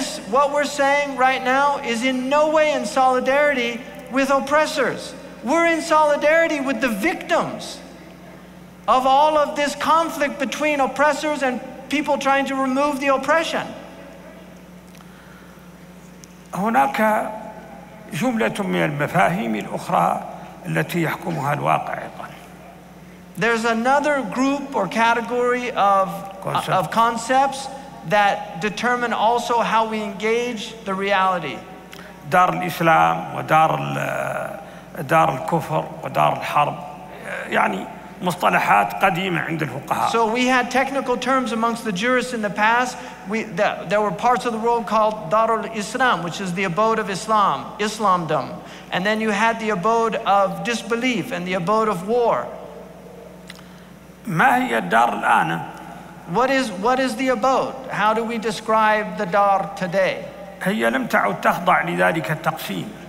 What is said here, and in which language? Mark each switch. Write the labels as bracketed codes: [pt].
[en] What we're saying right now is in no way in solidarity with oppressors. We're in solidarity with the victims of all of this conflict between oppressors and people trying to remove the oppression. [ar] هناك جملة من المفاهيم الأخرى التي يحكمها الواقع أيضا. [en] There's another group or category of concepts that determine also how we engage the reality. [ar] دار الإسلام ودار دار الكفر ودار الحرب يعني مصطلحات قديمة عند الفقهاء. [en] So we had technical terms amongst the jurists in the past. There were parts of the world called دار الإسلام, which is the abode of Islam, Islamdom. And then you had the abode of disbelief and the abode of war. [ar] ما هي الدار الآن؟ [en] What is the abode? How do we describe the دار today? [ar] هي لم تعد تخضع لذلك التقسيم.